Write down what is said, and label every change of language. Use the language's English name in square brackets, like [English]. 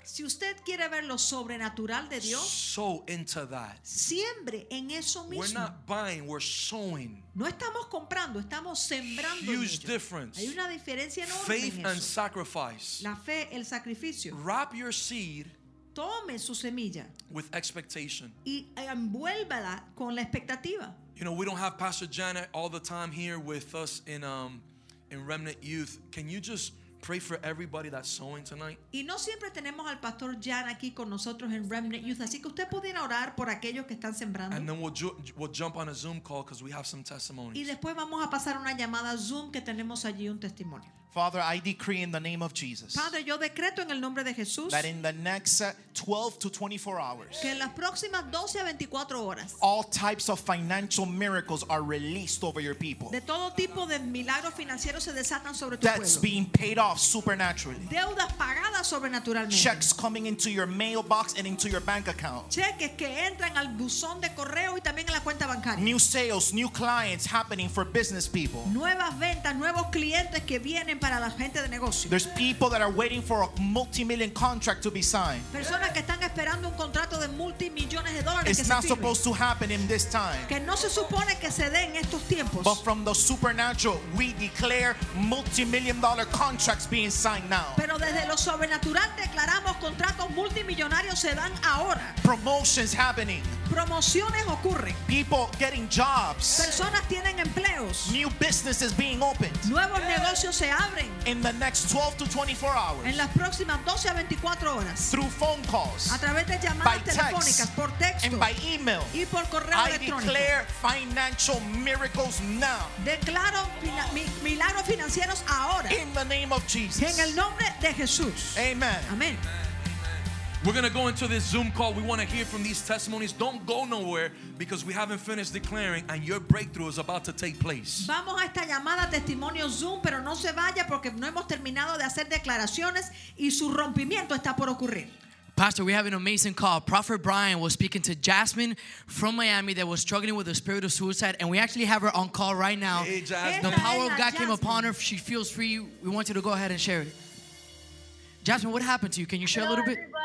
[Spanish] Si usted quiere ver lo sobrenatural de Dios. [English] Sow into that. [Spanish] Siembre en eso mismo. [English] We're not buying, we're sowing. [Spanish] No estamos comprando, estamos sembrando. [English] Huge difference. [Spanish] Hay una diferencia enorme. [English] Faith [Spanish] en eso. [English] And sacrifice. [Spanish] La fe, el sacrificio. [English] Wrap your seed. [Spanish] Tome su semilla. [English] With expectation. [Spanish] Y envuélvala con la expectativa. [English] You know, we don't have Pastor Janet all the time here with us in Remnant Youth. Can you just pray for everybody that's sowing tonight? [Spanish] Y no siempre tenemos al Pastor Jan aquí con nosotros en Remnant Youth, así que usted pudiera orar por aquellos que están sembrando. [English] And then we'll jump on a Zoom call because we have some testimonies. [Spanish] Y después vamos a pasar una llamada Zoom que tenemos allí un testimonio. [English] Father, I decree in the name of Jesus. [Spanish] Padre, yo decreto en el nombre de Jesús. [English] That in the next 12 to 24 hours. [Spanish] Que en las próximas 12 a 24 horas. [English] All types of financial miracles are released over your people. [Spanish] De todo tipo de milagros financieros se desatan sobre tu [English] debts [Spanish] pueblo. [English] Debts being paid off supernaturally. [Spanish] Deudas pagadas sobrenaturalmente. [English] Checks coming into your mailbox and into your bank account. [Spanish] Cheques que entran al buzón de correo y también a la cuenta bancaria. [English] New sales, new clients happening for business people. [Spanish] Nuevas ventas, nuevos clientes que vienen. Para la gente de negocio. [English] There's people that are waiting for a multi-million contract to be signed. [Spanish] Personas que están esperando un contrato de multimillones de dólares. [English] It's not supposed to happen in this time. [Spanish] Que no se supone que se dé en estos tiempos. [English] But from the supernatural, we declare multi-million dollar contracts being signed now. [Spanish] Pero desde lo sobrenatural declaramos contratos multimillonarios se dan ahora. [English] Promotions happening. [Spanish] Promociones ocurren. [English] People getting jobs. [Spanish] Personas tienen empleos. [English] New businesses being opened. [Spanish] Nuevos negocios. [English] In the next 12 to 24 hours. [Spanish] En las próximas 12 a 24 horas. [English] Through phone calls. [Spanish] A través de llamadas telefónicas, por texto. [English] And by email. [Spanish] Y por correo electrónico. [English] I declare financial miracles now. [Spanish] Declaro milagros financieros ahora. [English] In the name of Jesus. [Spanish] En el nombre de Jesús. [English] Amen. [Spanish] Amen. [English] We're going to go into this Zoom call. We want to hear from these testimonies. Don't go nowhere because we haven't finished declaring and your breakthrough is about to take place. [Spanish] Vamos a esta llamada testimonio Zoom, pero no se vaya porque no hemos terminado de hacer declaraciones y su rompimiento está por ocurrir. [English] Pastor, we have an amazing call. Prophet Brian was speaking to Jasmine from Miami that was struggling with a spirit of suicide, and we actually have her on call right now. Hey, Jasmine. The power of God came upon her. She feels free. We want you to go ahead and share it. Jasmine, what happened to you? Can you share a little bit?